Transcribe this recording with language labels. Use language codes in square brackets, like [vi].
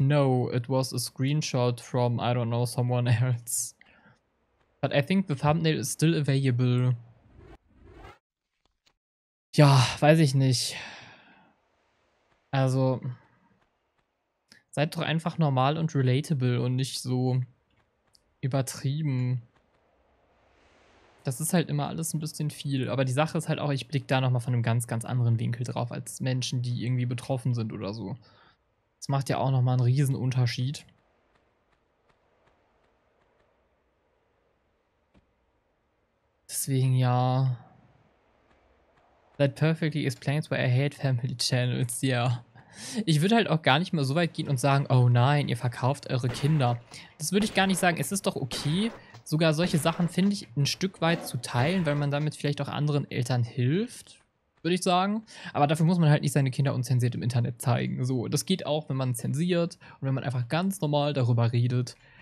[en] No, it was a screenshot from, I don't know, someone else. But I think the thumbnail is still available. [de] Ja, weiß ich nicht. Also, seid doch einfach normal und relatable und nicht so übertrieben. Das ist halt immer alles ein bisschen viel. Aber die Sache ist halt auch, ich blicke da nochmal von einem ganz, ganz anderen Winkel drauf, als Menschen, die irgendwie betroffen sind oder so. Das macht ja auch nochmal einen Riesenunterschied. Deswegen ja. [en] That perfectly explains why I hate family channels, yeah. [de] Ich würde halt auch gar nicht mal so weit gehen und sagen, oh nein, ihr verkauft eure Kinder. Das würde ich gar nicht sagen. Es ist doch okay, sogar solche Sachen finde ich ein Stück weit zu teilen, weil man damit vielleicht auch anderen Eltern hilft, würde ich sagen. Aber dafür muss man halt nicht seine Kinder unzensiert im Internet zeigen. So, das geht auch, wenn man zensiert und wenn man einfach ganz normal darüber redet.